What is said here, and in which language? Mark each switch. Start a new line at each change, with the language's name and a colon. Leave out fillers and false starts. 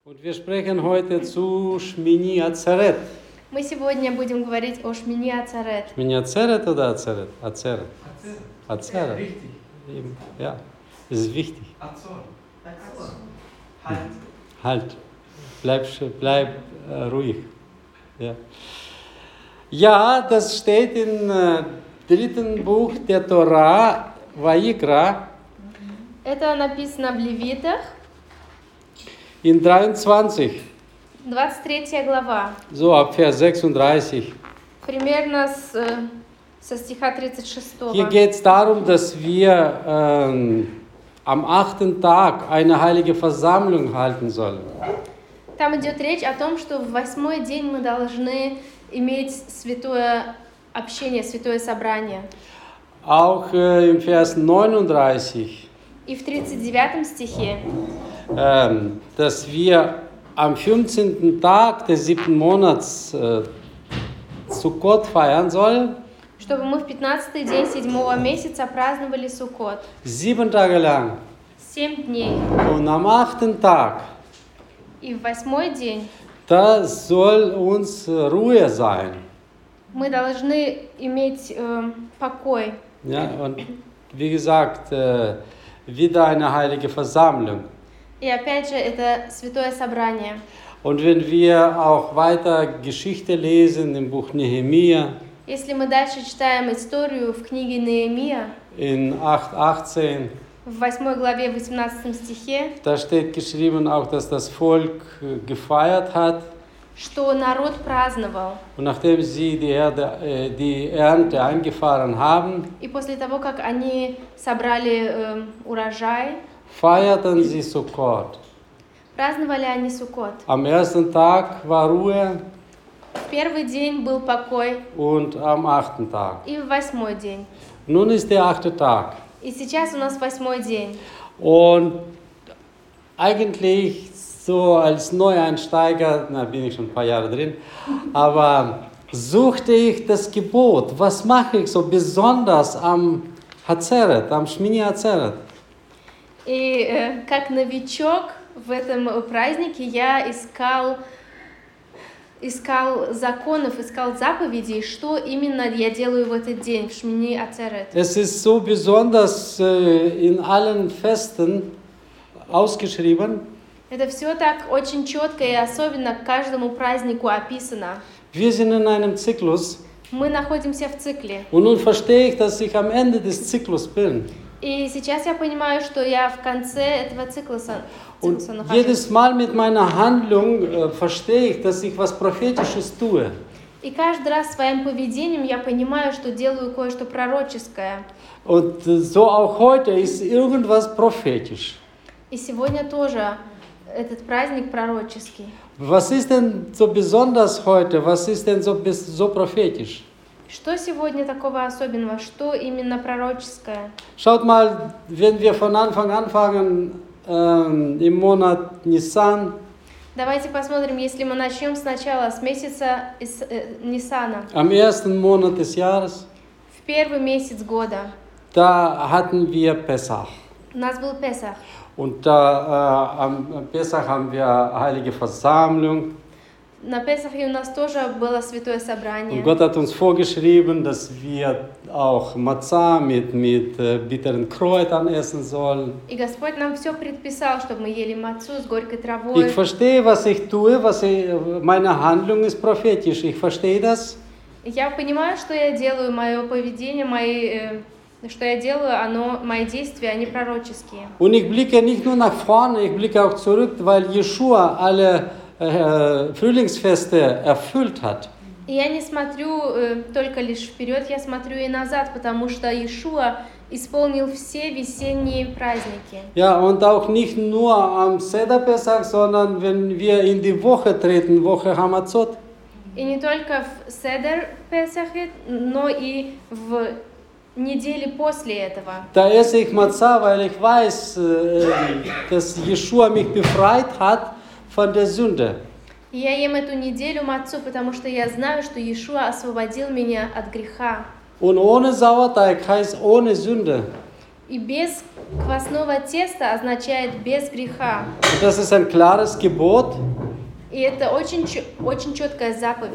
German: Und wir sprechen heute zu Shmini Atzeret.
Russian: Мы сегодня будем говорить о Шмини Ацарет. Шмини Ацарет, это Ацарет? Ацарет. Ацарет. Да, это важно. Ацор.
German: Halt. Bleib ruhig. Ja, das steht in dritten Buch der Tora, Vayikra.
Russian: Это написано в Левитах.
German: In 23.
Russian: 23 глава.
German: So, ab Vers 36.
Russian: Примерно со стиха 36.
German: Hier geht es darum, dass wir am achten Tag eine heilige Versammlung halten sollen.
Russian: Там идет речь о том, что в восьмой день мы должны иметь святое общение, святое собрание.
German: Auch im Vers 39.
Russian: И в 39 стихе.
German: Dass wir am 15. Tag des siebten Monats Sukkot feiern sollen.
Russian: Чтобы мы в 15-й день седьмого месяца праздновали Суккот.
German: Sieben Tage lang.
Russian: Семь дней.
German: Und am achten Tag.
Russian: И в восьмой день.
German: Da soll uns Ruhe sein.
Russian: Мы должны иметь покой.
German: Ja, und wie gesagt, wieder eine heilige Versammlung.
Russian: И опять же, это святое собрание.
German: Und wenn wir auch weiter Geschichte lesen im Buch Nehemia,
Russian: если мы дальше читаем историю в книге Nehemia,
German: in 8:18,
Russian: в 8 главе, 18 стихе,
German: da steht geschrieben auch, dass das Volk gefeiert hat,
Russian: что народ праздновал.
German: Und nachdem sie die Ernte eingefahren haben,
Russian: и после того, как они собрали урожай,
German: feierten sie Sukkot.
Russian: Праздновали они Суккот.
German: Am ersten Tag war Ruhe.
Russian: Первый день был покой.
German: Und am achten Tag.
Russian: И восьмой день.
German: Nun ist der achte Tag.
Russian: И сейчас у нас восьмой день.
German: Und eigentlich so als Neueinsteiger, na, bin ich schon ein paar Jahre drin, aber suchte ich das Gebot. Was mache ich so besonders am Hatzeret, am Shmini Hatzeret?
Russian: И как новичок в этом празднике я искал законов, искал заповедей, что именно я делаю в этот день, в Шмини Ацерет.
German: Es ist so besonders in allen Festen ausgeschrieben.
Russian: Это все так очень четко и особенно к каждому празднику описано.
German: Wir sind in einem Zyklus.
Russian: Мы находимся в цикле.
German: Und nun verstehe ich, dass ich am Ende des Zyklus bin.
Russian: И сейчас я понимаю, что я в конце этого цикла нахожусь.
German: Jedes Mal mit meiner Handlung verstehe ich, dass ich was Prophetisches tue.
Russian: И каждый раз своим поведением я понимаю, что делаю кое-что пророческое.
German: Und so auch heute ist irgendwas prophetisch.
Russian: И сегодня тоже этот праздник пророческий.
German: Was ist denn so besonders heute? Was ist denn so prophetisch?
Russian: Что сегодня такого особенного? Что именно пророческое?
German: Schaut mal, wenn wir von Anfang anfangen im Monat Nisan.
Russian: Давайте посмотрим, если мы начнем сначала с месяца Нисана.
German: Am ersten Monat des Jahres.
Russian: В первый месяц года.
German: Da hatten wir Pesach.
Russian: У нас был Песах.
German: Und da am Pesach haben wir heilige Versammlung.
Russian: На Песахе у нас тоже было святое собрание.
German: Und Gott hat uns vorgeschrieben, dass wir auch Matza mit bitteren Kräutern essen sollen.
Russian: И Господь нам все предписал, чтобы мы ели мацу с горькой травой.
German: Ich verstehe, was ich tue, meine Handlung ist prophetisch. Ich verstehe das.
Russian: Я понимаю, что я делаю, мое поведение, что я делаю, оно, мои действия, они пророческие.
German: Und ich blicke nicht nur nach vorne, ich blicke auch zurück, weil Yeshua alle Frühlingsfeste erfüllt hat.
Russian: Я не смотрю только лишь вперед, я смотрю и назад, потому что Иешуа исполнил все весенние праздники.
German: Ja, und auch nicht nur am Seder Pesach, sondern wenn wir in die Woche treten, Woche Hamatzot.
Russian: И не только в Седер Песах, но и в недели после этого.
German: Da esse ich Matza, weil ich weiß, dass Yeshua mich befreit hat von der Sünde.
Russian: Я ем эту неделю мацу, потому что я знаю, что Иешуа освободил меня от греха.
German: Und ohne Sauerteig heißt ohne Sünde.
Russian: И без Квасного теста означает без греха.
German: Das ist ein klares Gebot.
Russian: И это очень, очень четкая заповедь.